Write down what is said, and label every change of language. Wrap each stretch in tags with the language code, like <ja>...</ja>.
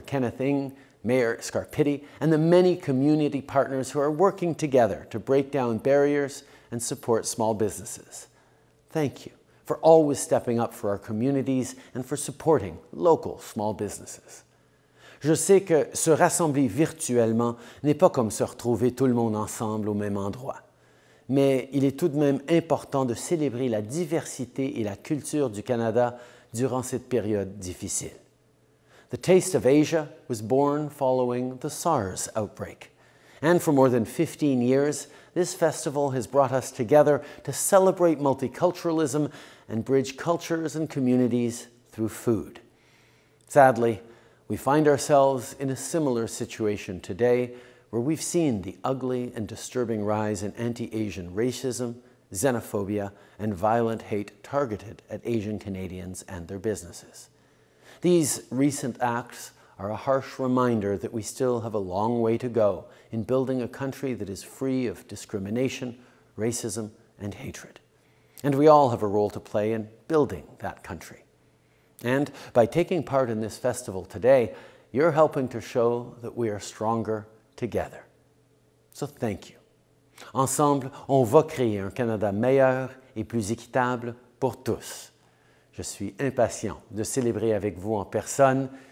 <en>Kenneth Ng, Mayor Scarpitti, and the many community partners who are working together to break down barriers and support small businesses. Thank you for always stepping up for our communities and for supporting local small businesses.</en> <fr>Je sais que se rassembler virtuellement n'est pas comme se retrouver tout le monde ensemble au même endroit. Mais il est tout de même important de célébrer la diversité et la culture du Canada durant cette période difficile.</fr> <en>The Taste of Asia was born following the SARS outbreak. And for more than 15 years, this festival has brought us together to celebrate multiculturalism and bridge cultures and communities through food. Sadly, we find ourselves in a similar situation today where we've seen the ugly and disturbing rise in anti-Asian racism, xenophobia, and violent hate targeted at Asian Canadians and their businesses. These recent acts are a harsh reminder that we still have a long way to go in building a country that is free of discrimination, racism, and hatred. And we all have a role to play in building that country. And by taking part in this festival today, you're helping to show that we are stronger together. So thank you.</en> <fr>Ensemble, on va créer un Canada meilleur et plus équitable pour tous. Je suis impatient de célébrer avec vous en personne.</fr>